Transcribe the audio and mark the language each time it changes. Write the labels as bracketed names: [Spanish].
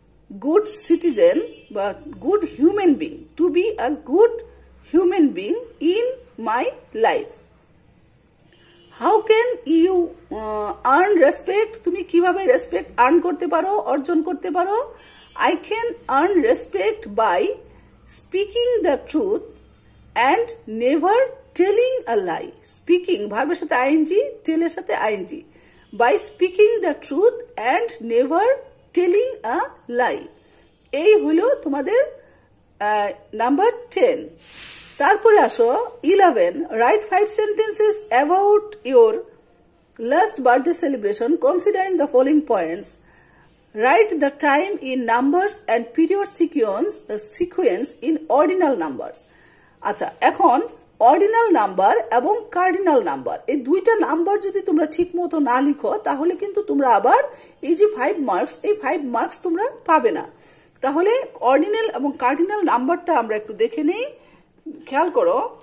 [English] good citizen বা good human being to be a good human being in my life how can you earn respect [Bangla] তুমি কিভাবে respect earn করতে পারো [English] অর্জন করতে পারো I can earn respect by speaking the truth and never telling a lie. Speaking, verbs সাথে ing, tell সাথে ing. By speaking the truth and never telling a lie. [Bangla] এই হলো তোমাদের number 10. তারপরে আসো 11. [English] Write 5 sentences about your last birthday celebration considering the following points. Write the time in numbers and period sequence in ordinal numbers. [Bangla] আচ্ছা এখন ordinal number এবং cardinal number এই দুইটা নাম্বার যদি তোমরা ঠিক মতো না লিখো তাহলে কিন্তু তোমরা আবার এই যে 5 marks এই 5 marks তোমরা পাবে না তাহলে ordinal এবং cardinal নাম্বারটা আমরা একটু দেখে নেই খেয়াল করো